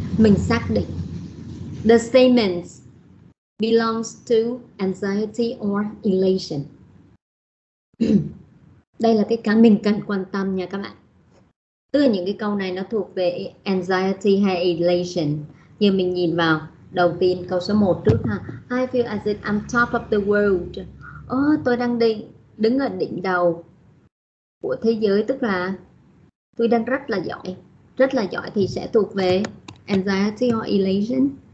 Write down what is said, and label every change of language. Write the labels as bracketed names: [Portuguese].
[Vietnamese] Mình xác định [English] the statements belongs to anxiety or elation. [Vietnamese] Đây là cái mình cần quan tâm nha các bạn. Tức là những cái câu này nó thuộc về anxiety hay elation. Như mình nhìn vào đầu tiên câu số 1 trước ha. [English] I feel as if I'm top of the world. [Vietnamese] Tôi đang đứng ở đỉnh đầu của thế giới, tức là tôi đang rất là giỏi. Rất là giỏi thì sẽ thuộc về [English] anxiety or elation.